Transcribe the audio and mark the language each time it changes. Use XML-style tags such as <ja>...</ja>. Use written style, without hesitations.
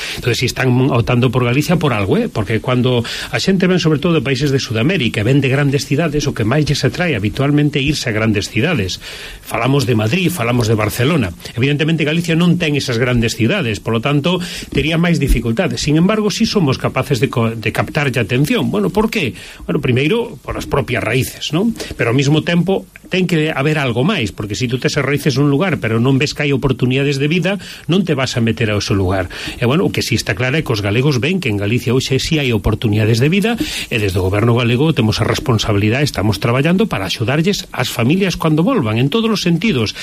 <es>Entonces, si están optando por Galicia, por algo,</es> <gl>porque cuando a xente ven sobre todo de países de Sudamérica, ven de grandes cidades, o que máis lle se trae habitualmente irse a grandes cidades. Falamos de Madrid, falamos de Barcelona. Evidentemente Galicia non ten esas grandes cidades,</gl> <es>por lo tanto</es> <gl>tería máis dificultades.</gl> <es>Sin embargo, si somos capaces de captar de atención.</es> <gl>Bueno, por qué? Bueno, primeiro por as propias raíces, ¿no? Pero ao mesmo tempo ten que haber algo máis, porque si tú tes as raíces nun lugar, pero non ves que hai oportunidades de vida, non te vas a meter ao seu lugar. E bueno, o que si está claro é que os galegos ven que en Galicia hoxe si hai oportunidades de vida, e desde o goberno galego temos a responsabilidade, estamos traballando para axudarlles as familias cando volvan, en todos os sentidos.</gl>